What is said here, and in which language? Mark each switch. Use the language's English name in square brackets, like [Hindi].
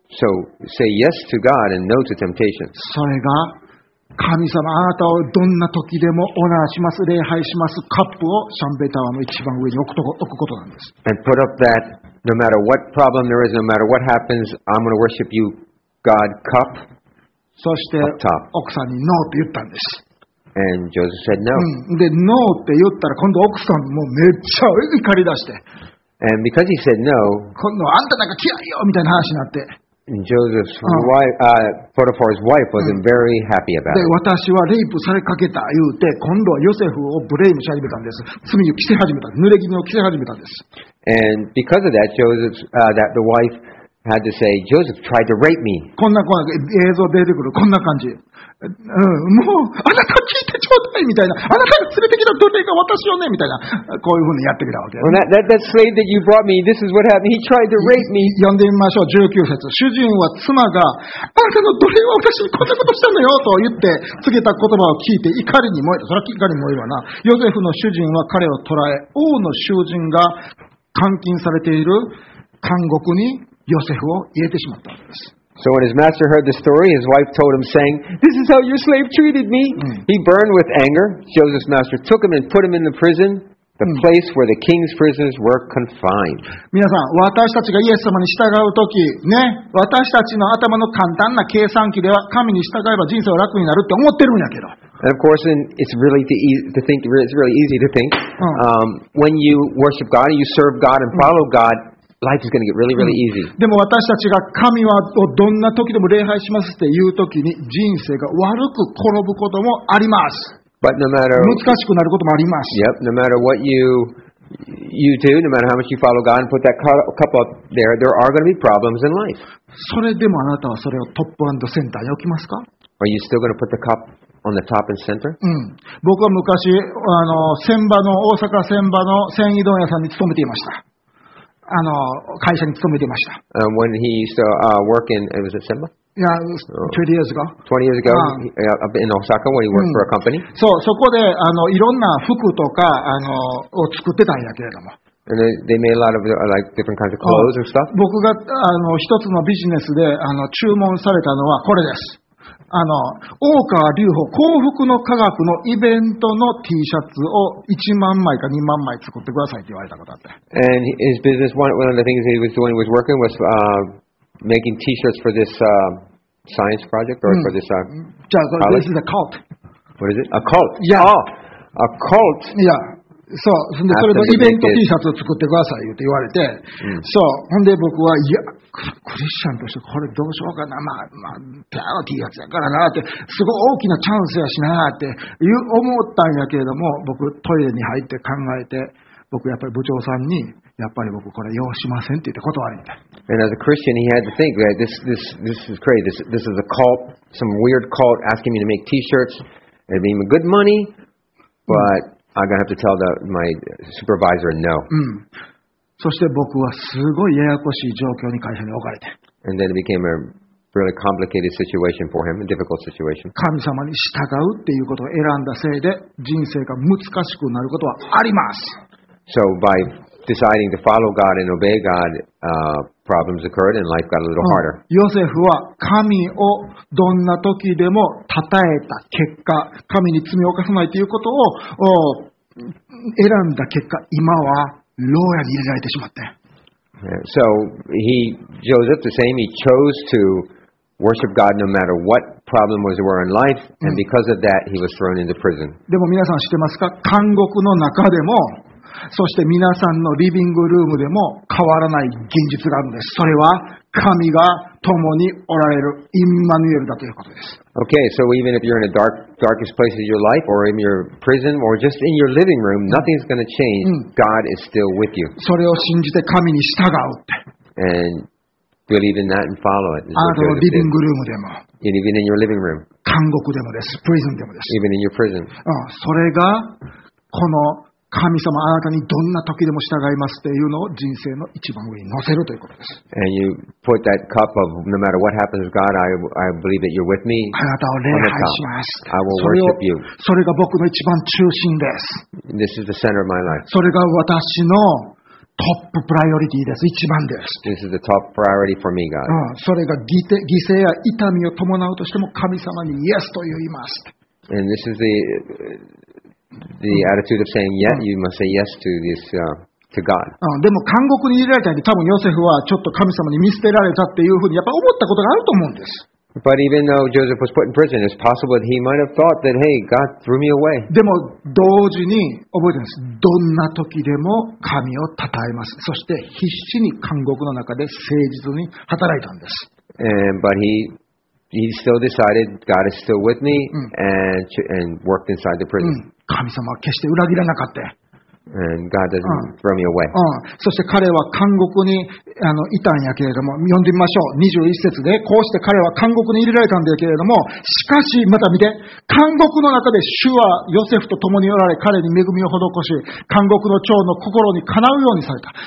[English] So say yes to God and no to temptation. [Japanese] それが神様あなたをどんな時でもオナーします礼拝しますカップをシャンベタワーの一番上に置くことなんです。 [English] And put up that no matter what problem there is, no matter what happens, I'm going to worship you, God, cup. [Japanese] そして奥さんにノーって言ったんです。 [English] And Joseph said no.、 [Japanese] うん、でノーって言ったら今度奥さんもめっちゃ怒り出して。 [English] And because he said no, [Japanese] 今度あんたなんか嫌いよみたいな話になって。 [English] Joseph's wife, Potiphar's wife wasn't very happy about it. [Japanese] 私はレイプされかけた言うて、今度はヨセフをブレイムし始めたんです。罪を着せ始めた、濡れ衣を着せ始めたんです。 [English] And because of that, Joseph's, that the wife had to say, Joseph tried to rape me. [Japanese] こんな映像出てくる、こんな感じ。もう、あなた聞いてちょうだいみたいな。あなたが連れてきた奴隷が私よねみたいな。こういうふうにやってきたわけ。 [English] Well, that slave that you brought me, this is what happened. He tried to rape me. [Japanese] 読んでみましょう、19節。主人は妻が、あなたの奴隷は私にこんなことしたのよと言って、告げた言葉を聞いて怒りに燃えた。それは怒りに燃えるわな。ヨゼフの主人は彼を捕らえ、王の囚人が監禁されている監獄にヨセフを入れてしまったんです。 [English] So when his master heard the story, his wife told him, saying, "This is how your slave treated me." He burned with anger. Joseph's master took him and put him in the prison, the place where the king's prisoners were confined. [Japanese] 皆さん、私たちがイエス様に従うとき、ね、私たちの頭の簡単な計算機では神に従えば人生は楽になるって思ってるんやけど。 [English] And of course, it's really easy to think. When you worship God, you serve God and follow God. Life is going to get really, really easy. [Japanese] でも私たちが神はどんな時でも礼拝しますっていう時に人生が悪く転ぶこともあります。 [English] But no matter, [Japanese] 難しくなることもあります。 [English] Yep, no matter what you do, no matter how much you follow God and put that cup up there, there are going to be problems in life. [Japanese] それでもあなたはそれをトップ&センターに置きますか？ [English] Are you still going to put the cup on the top and center? [Japanese] うん。僕は昔、船場の、大阪船場の繊維問屋さんに勤めていました。会社に勤めていました。 [English] When he used to work in, was it Senba? Yeah, 20 years ago. 20 years ago, in Osaka, when he worked for a company. [Japanese] そう、そこでいろんな服とかを作ってたんやけれども。 [English] And they made a lot of like different kinds of clothes or stuff. [Japanese] 僕があの一つのビジネスであの注文されたのはこれです。あの大川隆法幸福の科学のイベントの T シャツを1万枚か2万枚作ってくださいって言われたことあって。 [English] And his business one of the things he was doing was working was making T-shirts for this science project or for this college. This is a cult. What is it? A cult. Yeah. Oh, a cult. Yeah. [Japanese] そう、そんでそれでイベント T シャツを作ってくださいって言われて、そう、ほんで僕はいや、クリスチャンとしてこれどうしようかな、まあまあ、T シャツやからなって、すごい大きなチャンスやしなって思ったんやけれども、僕トイレに入って考えて、僕やっぱり部長さんに、やっぱり僕これ用しませんって言って断りた。 [English] And as a Christian, he had to think, right, this is crazy, this is a cult, some weird cult asking me to make T-shirts, it'd be good money, but... I'm gonna have to tell my supervisor no. [Japanese] そして僕はすごいややこしい状況に会社に置かれて。 [English] And then it became a really complicated situation for him, a difficult situation. [Japanese] 神様に従うっていうことを選んだせいで人生が難しくなることはあります。 [English] So by deciding to follow God and obey God, problems occurred and life got a little harder. [Japanese] ヨセフは神をどんな時でも讃えた結果、神に罪を犯さないということを選んだ結果、今は牢屋に入れられてしまって。 [English] So he, Joseph, the same, he chose to worship God no matter what problem was there in life, and because of that, he was thrown into prison. [Japanese] でも皆さん知ってますか？監獄の中でも。そして皆さんのリビングルームでも変わらない現実があるんです。それは神が共におられるイマヌエルだということです。 [English] Okay, so even if you're in the darkest place of your life, or in your prison, or just in your living room, nothing's going to change. God is still with you. [Japanese] それを信じて神に従うって。 [English] And believe in that and follow it. [Japanese] あなたのリビングルームでも。 [English] And even in your living room. [Japanese] 監獄でもです。 Prison でもです。 [English] Even in your prison. [Japanese] それがこの神様あなたにどんな時でも従いますっていうのを人生の一番上に乗せるということです。 [English] And you put that cup of no matter what happens, God, I believe that you're with me. [Japanese] あなたを礼拝します。 [English] I will worship you. [Japanese] それが僕の一番中心です。 [English] This is the center of my life. [Japanese] それが私のトッププライオリティです。一番です。 [English] This is the top priority for me, God. [Japanese] それが犠牲や痛みを伴うとしても神様に Yes と言います。 [English] And this is the attitude of saying yes, you must say yes to this to God. [Japanese] でも監獄に入れられたり、多分ヨセフはちょっと神様に見捨てられたっていうふうにやっぱ思ったことがあると思うんです。 [English] But even though Joseph was put in prison, it's possible that he might have thought that, hey, God threw me away. [Japanese] でも同時に覚えてます。どんな時でも神を讃えます。そして必死に監獄の中で誠実に働いたんです。 [English] But he still decided God is still with me and worked inside the prison. [Japanese] 神様は決して裏切らなかった。 [English] And God doesn't throw me away. [Japanese] そして彼は監獄にいたんやけれども、読んでみましょう。 21節で、こうして彼は監獄に入れられたんだけれども、しかし、また見て、監獄の中で主はヨセフと共におられ、彼に恵みを施し、監獄の長の心にかなうようにされた。